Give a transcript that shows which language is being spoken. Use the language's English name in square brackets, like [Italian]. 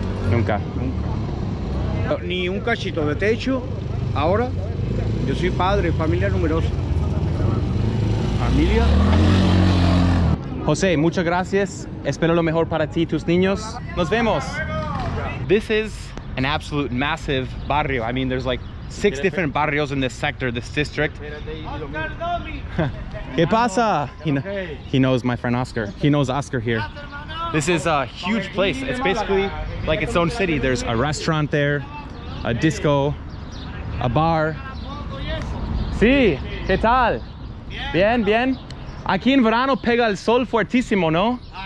[Spanish] Nunca. Ni un cachito de techo. Ahora, yo soy padre, familia numerosa. Familia. José, muchas gracias. Espero lo mejor para ti y tus niños. Nos vemos. [English] This is an absolute massive barrio. I mean, there's like six different barrios in this sector, this district. [Spanish] ¿Qué pasa? [English] He knows my friend Oscar. He knows Oscar here. This is a huge place. It's basically like its own city. There's a restaurant there, a disco, a bar. [Spanish] Sí, ¿qué tal? Bien, bien. Aquí en verano pega el sol fuertísimo, ¿no?